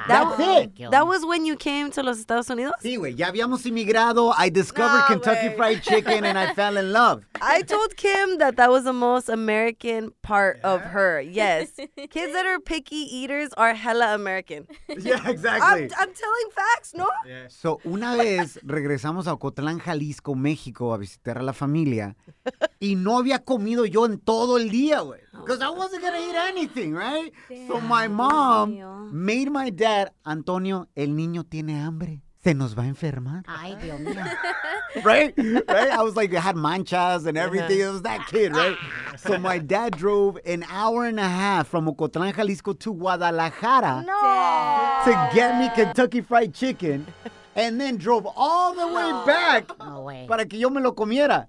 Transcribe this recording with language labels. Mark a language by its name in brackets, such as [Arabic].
[English] That was when you came to [Spanish] los Estados Unidos? Sí, güey. Ya habíamos inmigrado. [English] I discovered Kentucky Fried Chicken and I fell in love. I told Kim that that was the most American part of her. Yes. Kids that are picky eaters are hella American. Yeah, exactly. I'm telling facts, ¿no? Yeah. [Spanish] So, una vez regresamos a Ocotlán, Jalisco, México, a visitar a la familia, y no había comido yo en todo el día, güey. [English] Because I wasn't going to eat anything, right? Damn. So, my mom made my dad, Antonio, [Spanish] el niño tiene hambre. Se nos va a enfermar. Ay, Dios mío. [English] Right? Right? I was like, I had manchas and everything. Uh-huh. It was that kid, right? So my dad drove an hour and a half from Ocotlán, Jalisco to Guadalajara to get me Kentucky Fried Chicken and then drove all the way back [Spanish] para que yo me lo comiera.